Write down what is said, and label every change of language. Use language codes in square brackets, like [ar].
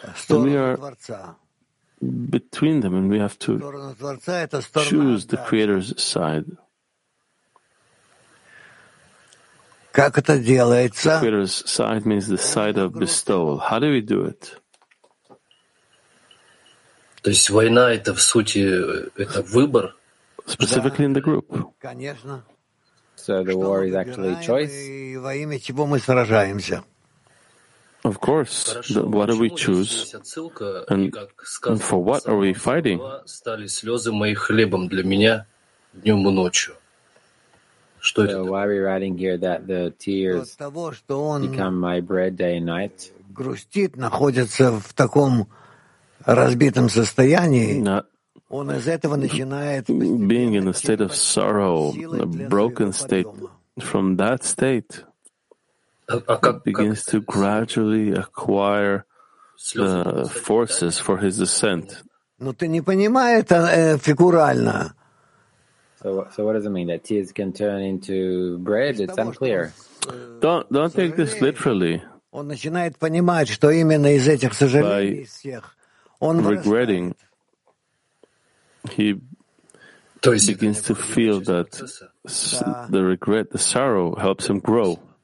[en] And we are between them, and we have to choose the Creator's side. [ru] Как это делается? [en] The Creator's side means the side of bestowal. How do we do it? [ru] То есть война — это, в сути, это выбор? [en] Specifically in the group. [ru] Конечно. [en] So the war is actually choice? [ru] И во имя чего мы сражаемся? [en] Of course. [ru] Хорошо, [en] what do we choose? And for what are we fighting? [ru] Стали слезы моим хлебом для меня днем и ночью. [en] So why are we writing here that the tears become my bread day and night? [ru] Грустит, находится в таком разбитом состоянии. Он из этого начинает. [en] Being in a state of sorrow, a broken state, from that state, it begins to gradually acquire the forces for his descent. [ru] Но ты не понимаешь это фигурально. [en] So what does it mean that tears can turn into bread? It's unclear. Don't take this literally. [ru] Он начинает понимать, что именно из этих сожалений всех он [en] regretting. He begins to feel that the regret, the sorrow, helps him grow.